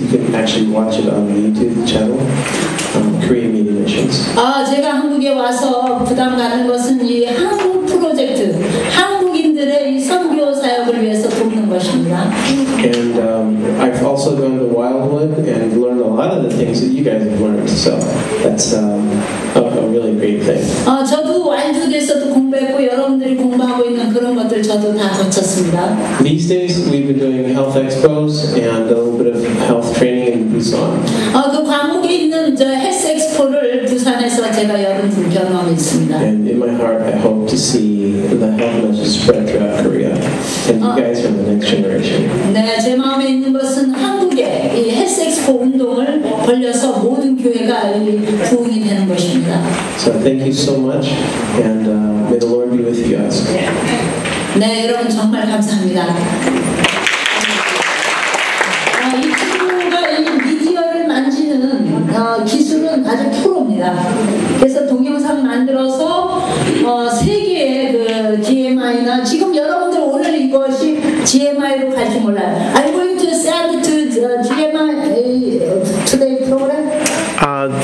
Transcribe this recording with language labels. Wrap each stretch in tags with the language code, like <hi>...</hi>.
<en>You can actually watch it on the YouTube channel, Korean Media Missions.</en> <ko>제가 한국에 와서 부담 가는 것은 이 한국 프로젝트, 한국인들의 선교 사역을 위해서 돕는 것입니다.</ko> <en>And I've also gone to Wildwood and learned a lot of the things that you guys have learned. So that's a really great thing.</en> <ko>저도 와일드에서도 공부했고 여러분들이 공부하고 있는 그런 것들 저도 다 거쳤습니다.</ko> <en>These days we've been doing health expos and a little bit of health training in Busan.</en> <ko>그 광복에 있는 저 헬스 엑스포를 부산에서 제가 여러분들 경험했습니다.</ko> <en>And in my heart, I hope to see the health message spread throughout Korea. And you guys are the next generation.</en> <ko>네, 제 마음에 있는 것은 한국에 이 헬스 엑스포 운동을 벌려서 모든 교회가 부흥이 되는 것입니다.</ko> <en>So thank you so much. And may the Lord be with you guys.</en> <ko>네, 여러분 정말 감사합니다. 이 친구가 이 미디어를 만지는 기술은 아주 프로입니다. 그래서 동영상 만들어서 세계에 그 GMI나 지금 여러분들 오늘 이것이 GMI로 갈지 몰라요.</ko> <en>I'm going to send it to GMI today program.</en>